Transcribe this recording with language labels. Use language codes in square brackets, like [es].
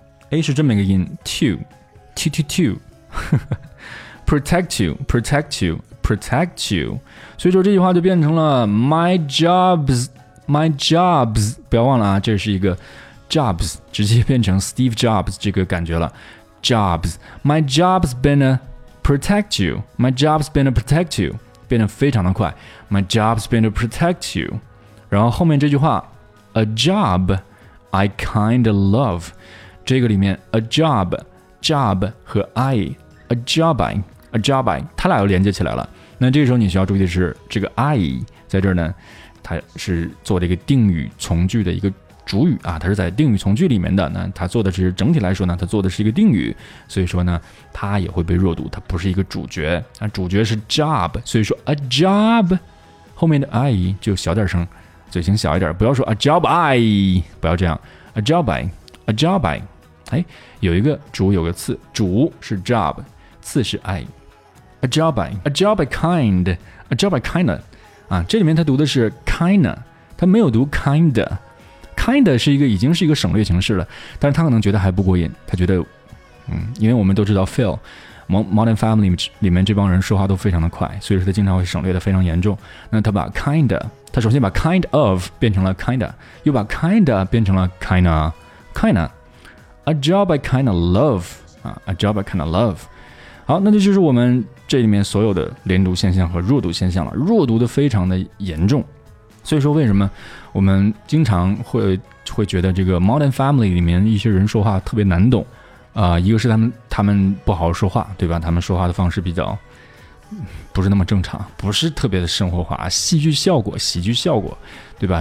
[en] A 是这么一个音 ，to, to, to, to. Protect you, protect you, protect you. [zh] 所以说这句话就变成了 [en] my jobs, my jobs. [zh] 不要忘了啊，这是一个。 Jobs 直接变成 Steve Jobs 这个感觉了。 [en] Jobs, my job's been a protect you. My job's been a protect you. [zh] 变得非常的快。 [en] My job's been a protect you. [zh] 然后后面这句话 [en] ，a job I kind of love. [zh] 这个里面 a job, job 和 I, [en] a job I, a job I, [zh] 它俩又连接起来了。那这个时候你需要注意的是，这个 I 在这儿呢，它是做了一个定语从句的一个。主语啊，它是在定语从句里面的，那它做的是整体来说呢，它做的是一个定语，所以说呢它也会被弱读，它不是一个主角，那主角是 job, 所以说 a job 后面的 I 就小点声，嘴型小一点，不要说 a job I, 不要这样 [en] a job I, a job I, [zh] 哎，有一个主有个次，主是 job, 次是 I, [en] a job I, a job I kind, a job I kinda, [zh] 啊，这里面它读的是 kinda, 它没有读 kinda,Kind 是一个已经是一个省略形式了，但是他可能觉得还不过瘾，他觉得，因为我们都知道 Phil Modern Family 里面这帮人说话都非常的快，所以说他经常会省略的非常严重。那他把 kind, 他首先把 kind of 变成了 kinda, 又把 kinda 变成了 [en] kinda, kinda, a job I kinda love, [zh] a job I kinda love。好，那这就是我们这里面所有的连读现象和弱读现象了，弱读的非常的严重。所以说为什么我们经常会觉得这个 Modern Family 里面一些人说话特别难懂一个是他们不好好说话，对吧？他们说话的方式比较不是那么正常，不是特别的生活化，戏剧效果，喜剧效果，对吧？